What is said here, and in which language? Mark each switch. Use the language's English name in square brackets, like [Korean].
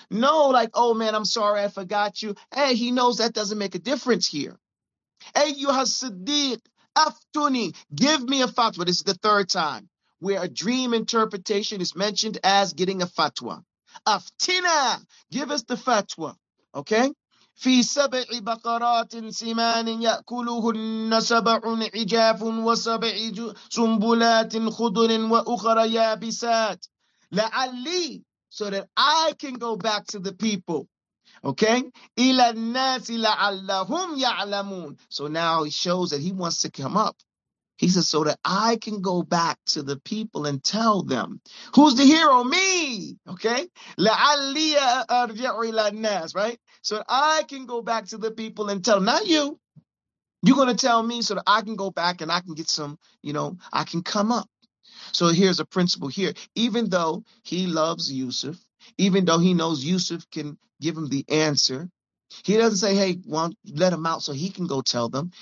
[English] No, like, oh man, I'm sorry, I forgot you. Hey, he knows that doesn't make a difference here. Hey, you have siddiq, aftuni, give me a fatwa. This is the third time where a dream interpretation is mentioned as getting a fatwa. Aftina, give us the fatwa, okay? [Arabic] في سبع بقرات سمان يأكلهن سبع عجاف وسبع سنبلات خضر وأخرى يابسات لعلي, [English] so that I can go back to the people. [Arabic] Okay? إلى الناس لعلهم يعلمون. [English] So now he shows that he wants to come up. He says, so that I can go back to the people and tell them. Who's the hero? Me! Okay? [Arabic] لَعَلِّيَ أَرْجِعُ إِلَى النَّاسِ, right? [English] So that I can go back to the people and tell them. Not you. You're going to tell me so that I can go back and I can get some, you know, I can come up. So here's a principle here. Even though he loves Yusuf, even though he knows Yusuf can give him the answer, he doesn't say, hey, well, let him out so he can go tell them.